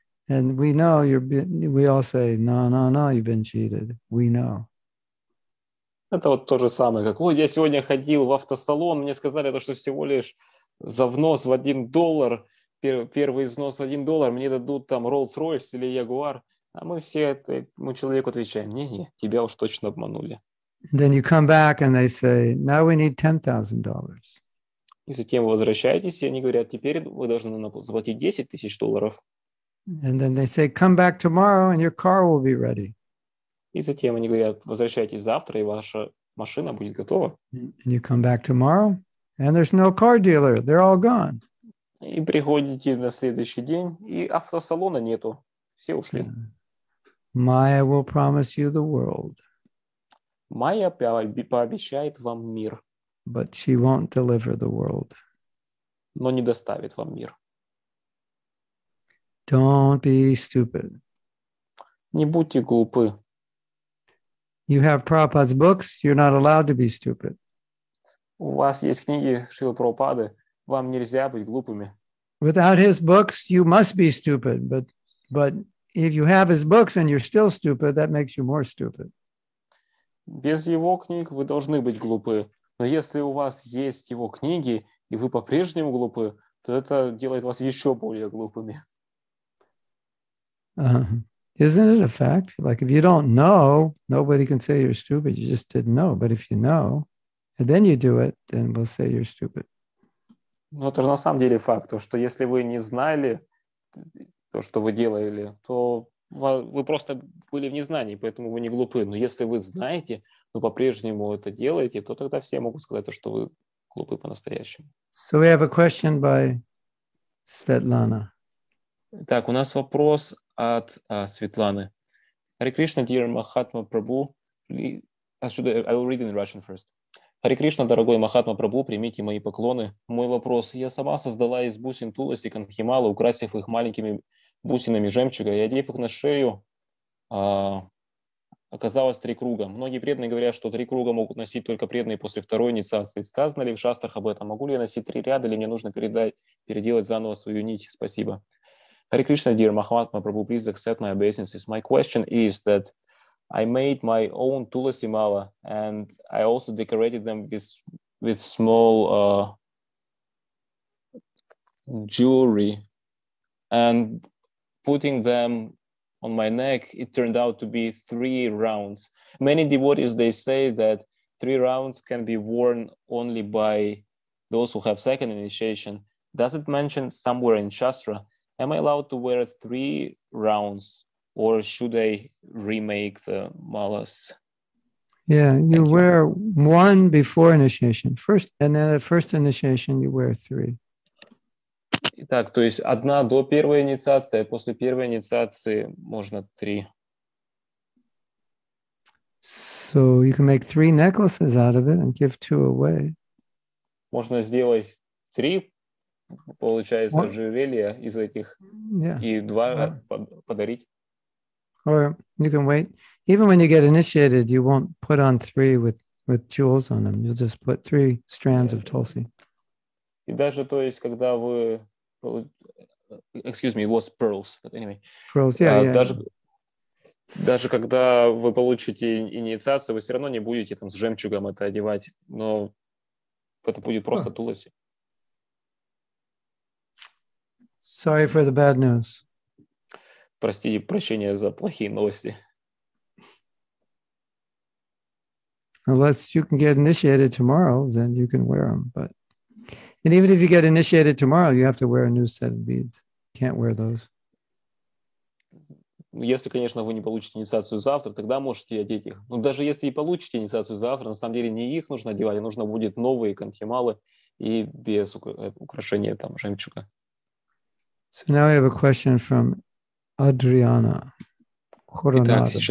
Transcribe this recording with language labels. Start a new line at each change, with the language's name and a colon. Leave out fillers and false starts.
English: And we know we all say, no, you've been cheated. We know.
Russian: Это вот то же самое, как «Ой, я сегодня ходил в автосалон, мне сказали, что всего лишь за взнос в $1, первый взнос в $1, мне дадут там Rolls-Royce или Jaguar». А мы все этому человеку отвечаем: «Не-не, тебя уж точно обманули».
English: Then you come back and they say, now we need $10,000.
Russian: И затем вы возвращаетесь, и они говорят: «Теперь вы должны заплатить $10,000».
English: And then they say, come back tomorrow and your car will be ready.
Russian: И затем они говорят, возвращайтесь завтра, и ваша машина будет готова.
English: And you come back tomorrow, and there's no car dealer, they're all gone.
Russian: И приходите на следующий день, и автосалона нету, все ушли.
English: Maya will promise you the world.
Russian: Maya пообещает вам мир.
English: But she won't deliver the world.
Russian: Но не доставит вам мир.
English: Don't be stupid.
Russian: Не будьте глупы.
English: You have Prabhupada's books, you're not allowed to be stupid.
Russian: У вас есть книги Шрилы Прабхупады, вам нельзя быть глупыми.
English: Without his books, you must be stupid, but if you have his books and you're still stupid, that makes you more stupid.
Russian: Без его книг вы должны быть глупы, но если у вас есть его книги, и вы по-прежнему глупы, то это делает вас еще более глупыми.
English: Isn't it a fact? Like, if you don't know, nobody can say you're stupid. You just didn't know. But if you know, and then you do it, then we'll say you're stupid.
Russian: Но это же на самом деле факт, то, что если вы не знали то, что вы делали, то вы просто были в незнании, поэтому вы не глупы. Но если вы знаете, но по-прежнему это делаете, то тогда все могут сказать то, что вы глупы по-настоящему.
English: So we have a question by Svetlana.
Russian: Так, у нас вопрос от Светланы.
English: Hare Krishna, dear Mahatma Prabhu. I will read in Russian first.
Russian: Hare Krishna, дорогой Махатма Прабху, примите мои поклоны. Мой вопрос. Я сама создала из бусин Туласи Канхимала, украсив их маленькими бусинами жемчуга и одев их на шею, оказалось три круга. Многие преданные говорят, что три круга могут носить только преданные после второй инициации. Сказано ли в шастрах об этом? Могу ли я носить три ряда или мне нужно переделать заново свою нить? Спасибо.
English: Hare Krishna, dear Mahatma Prabhu, please accept my obeisances. My question is that I made my own Tulasi Mala and I also decorated them with small jewelry, and putting them on my neck, it turned out to be three rounds. Many devotees, they say that three rounds can be worn only by those who have second initiation. Does it mention somewhere in Shastra? Am I allowed to wear three rounds, or should I remake the malas? Yeah, you Thank wear you. One before initiation, first, and then at first initiation you wear three.
Russian: Итак, то есть одна до первой инициации, а после первой инициации можно три.
English: So you can make three necklaces out of it and give two away.
Russian: Можно сделать три. Получается ожерелье из этих и два подарить.
English: Or you can wait. Even when you get initiated, you won't put on three with jewels on them. You'll just put three strands of tulsi.
Russian: И даже то есть, когда вы
English: excuse me, it was pearls, but anyway. Pearls,
Russian: Даже когда вы получите инициацию, вы все равно не будете там с жемчугом это одевать, но это будет просто тулоси.
English: Sorry for the bad news.
Russian: Простите, прощение за плохие новости.
English: Unless you can get initiated tomorrow, then you can wear them. But and even if you get initiated tomorrow, you have to wear a new set of beads. Can't wear those.
Russian: Если, конечно, вы не получите инициацию завтра, тогда можете одеть их. Но даже если и получите инициацию завтра, на самом деле не их нужно одевать, а нужно будет новые канхималы и без украшения там жемчуга.
English: So now I have a question from Adriana Coronado.